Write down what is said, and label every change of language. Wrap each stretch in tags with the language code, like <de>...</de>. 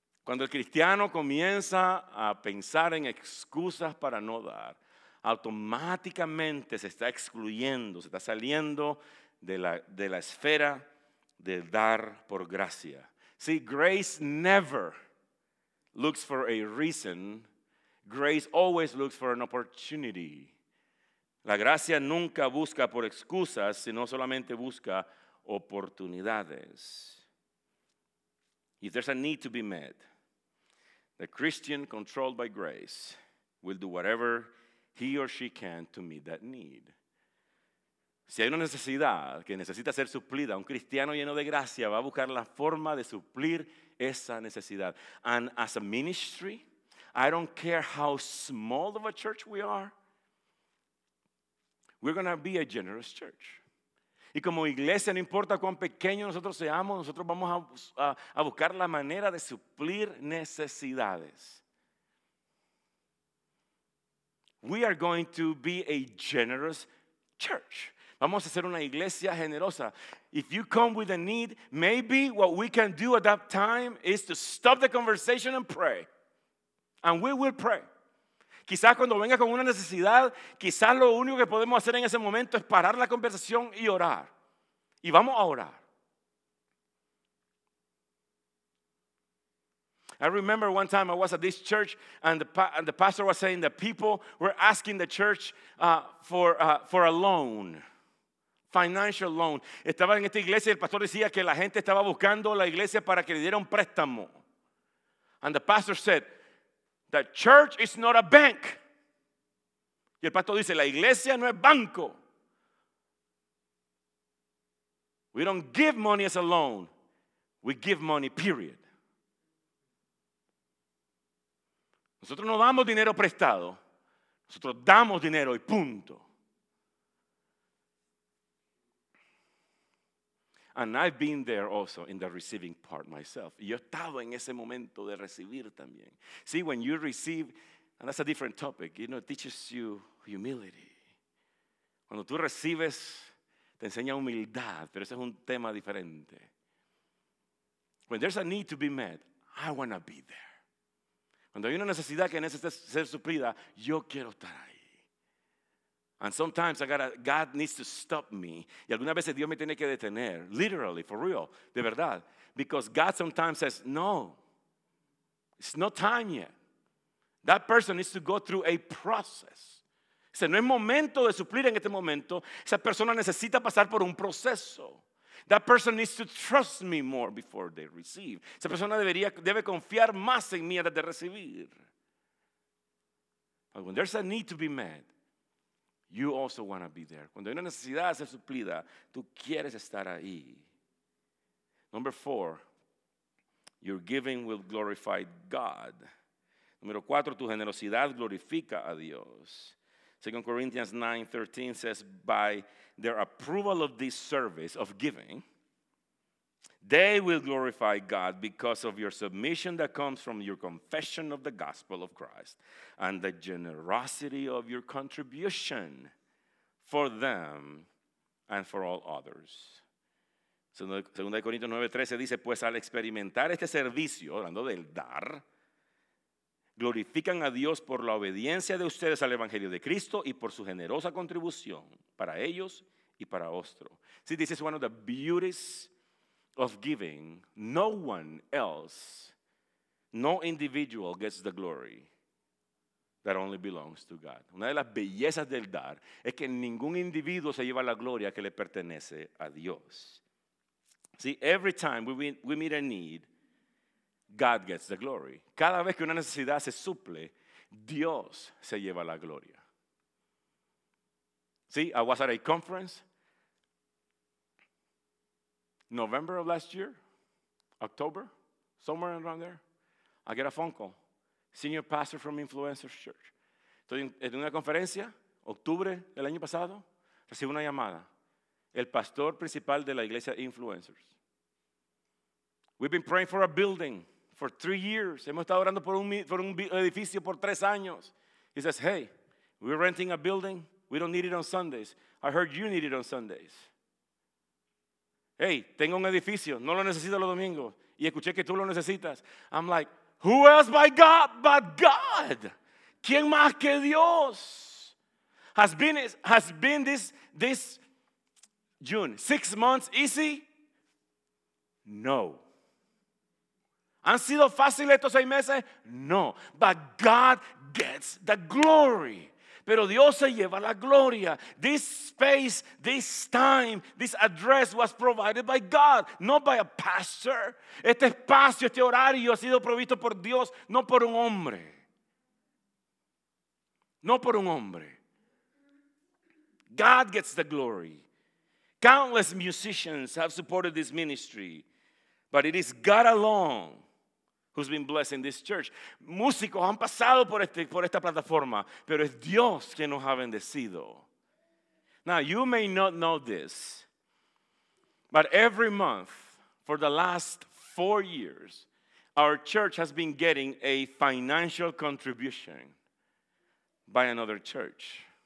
<es>Cuando el cristiano comienza a pensar en excusas para no dar, automáticamente se está excluyendo, se está saliendo de la esfera del dar por gracia.</es> <en>See, grace never looks for a reason. Grace always looks for an opportunity.</en> <es>La gracia nunca busca por excusas, sino solamente busca oportunidades.</es> <en>If there's a need to be met, the Christian controlled by grace will do whatever he or she can to meet that need.</en> <es>Si hay una necesidad que necesita ser suplida, un cristiano lleno de gracia va a buscar la forma de suplir esa necesidad.</es> <en>And as a ministry, I don't care how small of a church we are, we're going to be a generous church.</en> <es>Y como iglesia, no importa cuán pequeño nosotros seamos, nosotros vamos a buscar la manera de suplir necesidades.</es> <en>We are going to be a generous church.</en> <es>Vamos a ser una iglesia generosa.</es> <en>If you come with a need, maybe what we can do at that time is to stop the conversation and pray. And we will pray.</en> <es>Quizás cuando venga con una necesidad, quizás lo único que podemos hacer en ese momento es parar la conversación y orar. Y vamos a orar.</es> <en>I remember one time I was at this church and the pastor was saying that people were asking the church for a loan. Financial loan.</en> <es>Estaba en esta iglesia y el pastor decía que la gente estaba buscando la iglesia para que le diera un préstamo.</es> <en>And the pastor said, the church is not a bank.</en> <es>Y el pastor dice, la iglesia no es banco.</es> <en>We don't give money as a loan. We give money, period.</en> <es>Nosotros no damos dinero prestado. Nosotros damos dinero y punto.</es> <en>And I've been there also in the receiving part myself.</en> <es>Yo estaba en ese momento de recibir también.</es> <en>See, when you receive, and that's a different topic, you know, it teaches you humility.</en> <es>Cuando tú recibes, te enseña humildad, pero ese es un tema diferente.</es> <en>When there's a need to be met, I want to be there.</en> <es>Cuando hay una necesidad que necesita ser suplida, yo quiero estar ahí.</es> <en>And sometimes God needs to stop me.</en> <es>Y algunas veces Dios me tiene que detener.</es> <en>Literally, for real.</en> <es>De verdad.</es> <en>Because God sometimes says, no. It's not time yet. That person needs to go through a process.</en> <es>Dice, no es momento de suplir en este momento. Esa persona necesita pasar por un proceso.</es> <en>That person needs to trust me more before they receive.</en> <es>Esa persona debe confiar más en mí antes de recibir.</es> <en>But when there's a need to be met, you also want to be there.</en> <es>Cuando hay una necesidad de ser suplida, tú quieres estar ahí.</es> <en>Number four, your giving will glorify God.</en> <es>Número cuatro, tu generosidad glorifica a Dios.</es> <en>2 Corinthians 9:13 says, by their approval of this service of giving, they will glorify God because of your submission that comes from your confession of the gospel of Christ and the generosity of your contribution for them and for all others.</en> <es>2 Corintios 9:13 dice, pues al experimentar este servicio, hablando del dar, glorifican a Dios por la obediencia de ustedes al Evangelio de Cristo y por su generosa contribución para ellos y para otros.</es> <en>See, this is one of the beauties of giving. No one else, no individual gets the glory that only belongs to God.</en> <es>Una de las bellezas del dar es que ningún individuo se lleva la gloria que le pertenece a Dios.</es> <en>See, every time we meet a need, God gets the glory.</en> <es>Cada vez que una necesidad se suple, Dios se lleva la gloria.</es> <en>See, I was at a conference November of last year, October, somewhere around there, I get a phone call. Senior pastor from Influencers Church.</en> <es>Estoy en una conferencia, octubre del año pasado, recibo una llamada. El pastor principal de la iglesia Influencers.</es> <en>We've been praying for a building for 3 years.</en> <es>Hemos estado orando por un edificio por 3 años.</es> <en>He says, hey, we're renting a building. We don't need it on Sundays. I heard you need it on Sundays.</en> <es>Hey, tengo un edificio, no lo necesito los domingos. Y escuché que tú lo necesitas.</es> <en>I'm like, Who else by God but God?</en> <es>¿Quién más que Dios?</es> <en>Has been this June, 6 months easy? No.</en> <es>¿Han sido fáciles estos 6 meses? No.</es> <en>But God gets the glory.</en> <es>Pero Dios se lleva la gloria.</es> <en>This space, this time, this address was provided by God, not by a pastor.</en> <es>Este espacio, este horario ha sido provisto por Dios, no por un hombre. No por un hombre.</es> <en>God gets the glory. Countless musicians have supported this ministry, but it is God alone who's been blessing this church.</en> <es>Músicos han pasado por esta plataforma, pero es Dios quien nos ha bendecido.</es> <en>Now, you may not know this, but every month for the last 4 years, our church has been getting a financial contribution by another church.</en>